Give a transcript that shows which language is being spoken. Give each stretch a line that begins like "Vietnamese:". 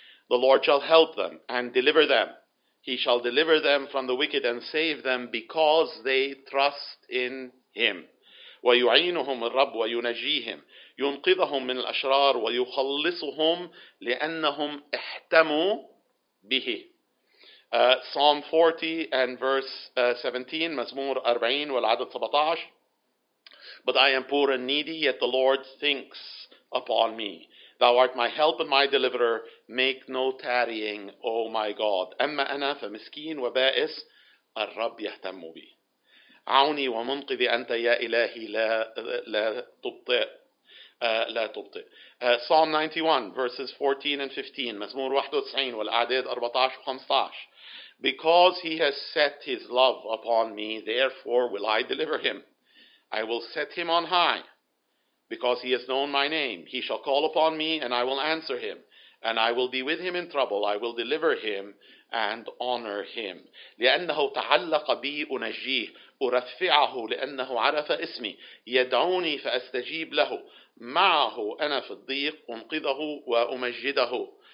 English: The Lord shall help them and deliver them. He shall deliver them from the wicked and save them because they trust in him.
Arabic: ويعينهم الرب وينجيهم ينقذهم من الأشرار ويخلصهم لأنهم احتموا به.
English: Psalm 40 and verse 17.
Arabic: مزمور 40 والعدد 17.
English: But I am poor and needy, yet the Lord thinks upon me. Thou art my help and my deliverer. Make no tarrying, O my God.
Arabic: أما أنا فمسكين وبائس الرب يهتم بي. عوني ومنقذي أنت يا إلهي لا تبطئ. لا تبطئ.
English: Psalm 91 verses 14 and 15
Arabic: مزمور 91 والأعداد 14 و15.
English: Because he has set his love upon me, therefore will I deliver him. I will set him on high. Because he has known my name, he shall call upon me, and I will answer him. And I will be with him in trouble. I will deliver him and honor him.
Arabic: لأنه تعلق بي أنجيه أرفعه لأنه عرف اسمي يدعوني فأستجيب له معه أنا في الضيق أنقذه وأمجده.